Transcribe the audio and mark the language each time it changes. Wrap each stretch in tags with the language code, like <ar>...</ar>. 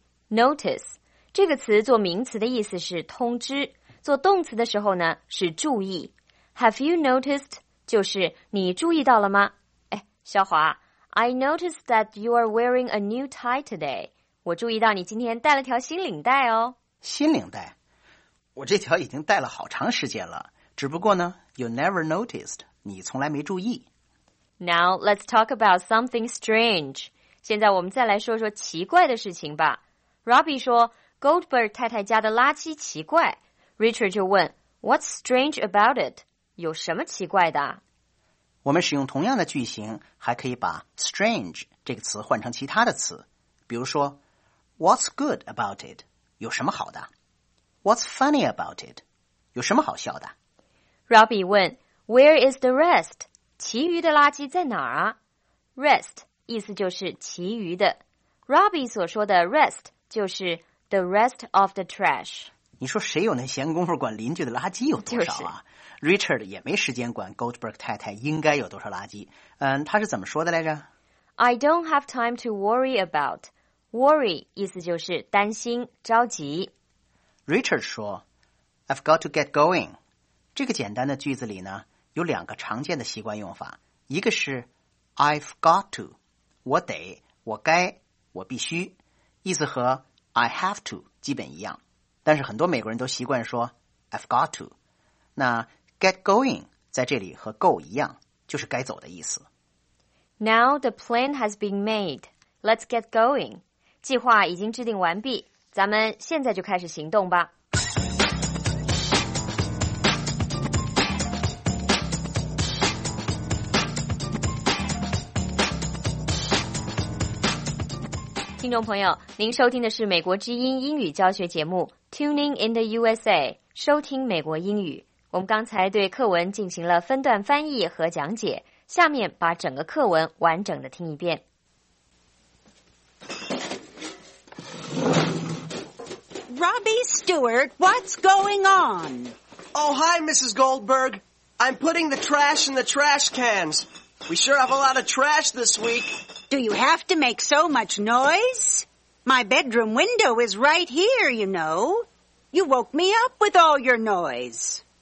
<zh>Notice 这个词做名词的意思是通知，做动词的时候呢是注意。 Have you noticed 就是你注意到了吗？</zh> <en>哎，小华 ，I noticed that you are wearing a new tie today。</en> <zh>我注意到你今天带了条新领带哦。新领带？我这条已经带了好长时间了，只不过呢 ，</zh> <en>you never noticed，</en> <zh>你从来没注意。</zh> <en>Now let's talk about something strange。</en> <zh>现在我们再来说说奇怪的事情吧。Robbie 说 ,Goldberg 太太家的垃圾奇怪。</zh> <en>Richard</en> <zh>就问</zh> <en>,What's strange about it?</en> <zh>有什么奇怪的？我们使用同样的句型还可以把 strange 这个词换成其他的词。比如说</zh> <en>,What's good about it?</en> <zh>有什么好的</zh> <en>?What's funny about it?</en> <zh>有什么好笑的</zh> <en>?Robbie</en> <zh>问</zh> <en>,Where is the rest?</en> <zh>其余的垃圾在哪儿啊 ?Rest, 意思就是其余的。 Robbie 所说的 rest, 就是</zh> <en>the rest of the trash。</en> <zh>你说谁有那闲工夫管邻居的垃圾有多少啊、就是、？Richard 也没时间管 Goldberg 太太应该有多少垃圾。嗯，他是怎么说的来着</zh> <en>？I don't have time to worry about.</en> <zh>Worry 意思就是担心、着急。 Richard 说 ，</zh> <en>I've got to get going。</en> <zh>这个简单的句子里呢，有两个常见的习惯用法，一个是 I've got to， 我得，我该，我必须。意思和 I have to 基本一样，但是很多美国人都习惯说 I've got to。那 get going 在这里和 go 一样，就是该走的意思。</zh> <en>Now the plan has been made. Let's get going.</en> <zh>计划已经制定完毕，咱们现在就开始行动吧。听众朋友，您收听的是美国之音英语教学节目 Tuning in the USA， 收听美国英语。我们刚才对课文进行了分段翻译和讲解，下面把整个课文完整的听一遍。</zh> <en>Robbie Stewart, what's going on? Oh, hi, Mrs. Goldberg. I'm putting the trash in the trash cans. We sure have a lot of trash this week. Do you have to make so much noise? My bedroom window is right here, you know. You woke me up with all your noise.</en>